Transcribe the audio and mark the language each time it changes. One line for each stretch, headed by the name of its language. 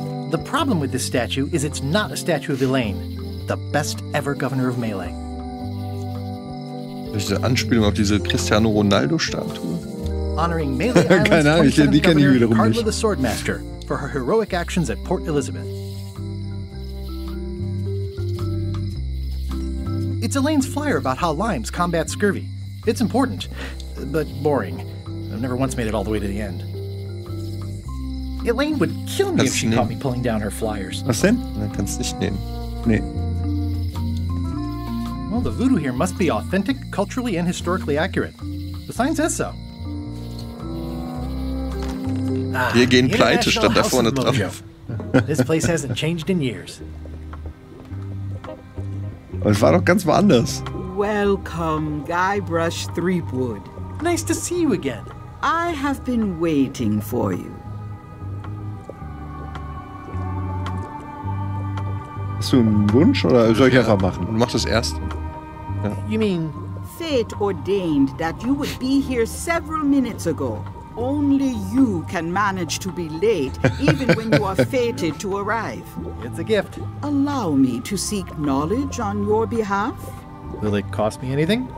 English: The problem with this statue is it's not a statue of Elaine, the best ever governor of Melee.
German: Diese Anspielung auf diese Cristiano Ronaldo-Statue.
English: Honoring Melee Island's 27th Governor,
German: die kenne ich wiederum nicht.
English: Carla the Swordmaster, for her heroic actions at Port Elizabeth. It's Elaine's flyer about how limes combat scurvy. It's important, but boring. I've never once made it all the way to the end. Elaine would kill me if she caught me pulling down her flyers.
German: Was denn? Dann kannst du nicht nehmen. Nee.
English: Well, the voodoo here must be authentic, culturally, and historically accurate. The sign says so.
German: Wir gehen pleite, stand da vorne drauf.
English: This place hasn't changed in years.
German: Es war doch ganz woanders.
English: Welcome, Guybrush Threepwood. Nice to see you again. I have been waiting for you.
German: Hast du einen Wunsch oder soll ich einfach machen? Und mach das erst.
English: Ja. You mean? Fate ordained that you would be here several minutes ago. Only you can manage to be late, even when you are fated to arrive. It's a gift. Allow me to seek knowledge on your behalf. Will it cost me anything?